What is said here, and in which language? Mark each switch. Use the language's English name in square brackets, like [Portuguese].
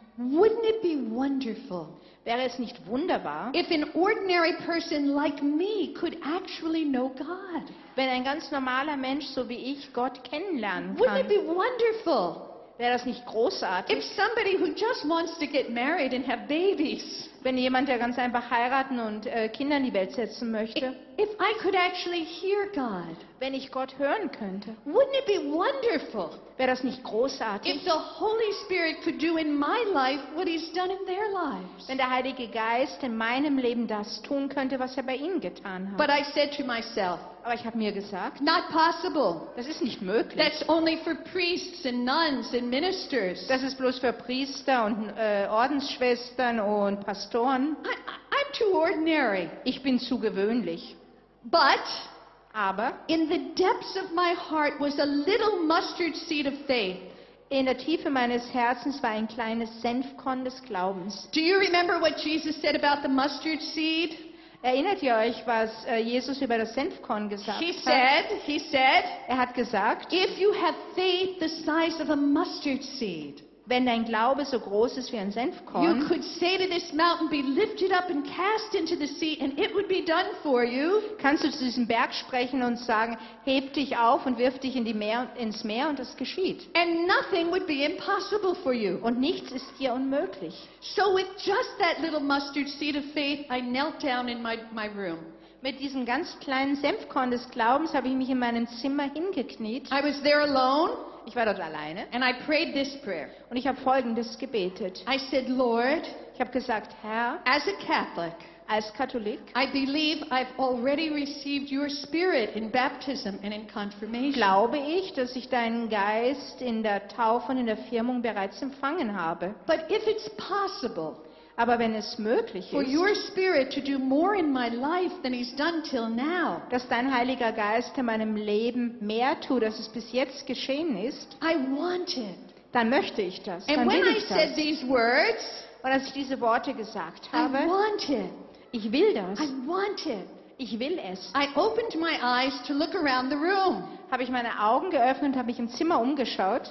[English] Wouldn't it be wonderful? [German] Wäre es nicht wunderbar? [English] If an ordinary person like me could actually know God. [German] Wenn ein ganz normaler Mensch so wie ich Gott kennenlernen kann. [English] Wouldn't it be wonderful? [German] Wäre das nicht großartig? [English] If somebody who just wants to get married and have babies. [German] Wenn jemand, der ganz einfach heiraten und Kinder in die Welt setzen möchte. [English] If I could actually hear God. [German] Wenn ich Gott hören könnte. [English] Wouldn't it be wonderful? [German] Wäre das nicht großartig? [English] If the Holy Spirit could do in my life what he's done in their lives. [German] Wenn der Heilige Geist in meinem Leben das tun könnte, was er bei ihnen getan hat. [English] But I said to myself. [German] Aber ich habe mir gesagt, [English] not possible. [German] Das ist nicht möglich. [English] That's only for priests and nuns and ministers. [German] Das ist bloß für Priester und Ordensschwestern und Pastoren. [English] I'm too ordinary. [German] Ich bin zu gewöhnlich. [English] But [German] aber [English] in the depths of my heart was a little mustard seed of faith. [German] In der Tiefe meines Herzens war ein kleines Senfkorn des Glaubens. [English] Do you remember what Jesus said about the mustard seed? [German] Erinnert ihr euch, was Jesus über das Senfkorn gesagt hat? [English] He said, [German] er hat gesagt, [English] if you have faith the size of a mustard seed, [German] wenn dein Glaube so groß ist wie ein Senfkorn, [English] you could say to this mountain, be lifted up and cast into the sea, and it would be done for you. [German] Kannst du zu diesem Berg sprechen und sagen, heb dich auf und wirf dich ins Meer, und es geschieht. [English] And nothing would be impossible for you. [German] Und nichts ist dir unmöglich. [English] So with just that little mustard seed of faith, I knelt down in my room. [German] Mit diesem ganz kleinen Senfkorn des Glaubens habe ich mich in meinem Zimmer hingekniet. [English] I was there alone. [German] Ich war dort alleine. [English] And I prayed this prayer. [German] Und ich habe folgendes gebetet. [English] I said, Lord, [German] ich habe gesagt, Herr, [English] as a Catholic, [German] als Katholik, [English] I believe I've already received your spirit in baptism and in confirmation. [German] Glaube ich, dass ich deinen Geist in der Taufe und in der Firmung bereits empfangen habe. [English] But if it's possible, [German] aber wenn es möglich ist, [English] for your spirit to do more in my life than he's done till now, [German] dass dein Heiliger Geist in meinem Leben mehr tut, als es bis jetzt geschehen ist, [English] I want it. [German] Dann möchte ich das. [English] And [German] dann [English] when [German] ich [English] I Said these words, [German] und als ich diese Worte gesagt habe, [English] I want it. [German] Ich will das. [English] I want it. [German] Ich will es. [English] I opened my eyes to look around the room. [German] Habe ich meine Augen geöffnet, habe mich im Zimmer umgeschaut.